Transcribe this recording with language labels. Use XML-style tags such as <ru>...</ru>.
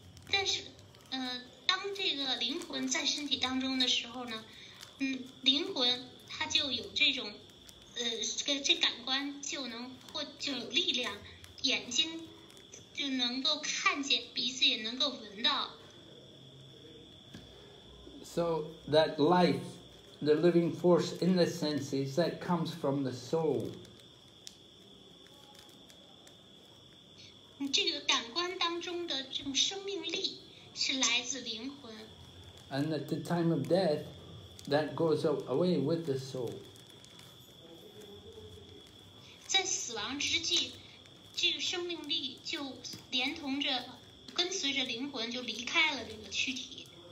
<zh>但是，当这个灵魂在身体当中的时候呢，灵魂它就有这种，这感官就能或就有力量，眼睛就能够看见，鼻子也能够闻到。</zh> <en>So that life, the living force in the senses, that comes from the soul.</en> <zh>这个感官当中的这种生命力是来自灵魂。</zh> <en>And at the time of death, that goes away with the soul.</en> <zh>在死亡之际，这个生命力就连同着，跟随着灵魂就离开了这个躯体。</zh>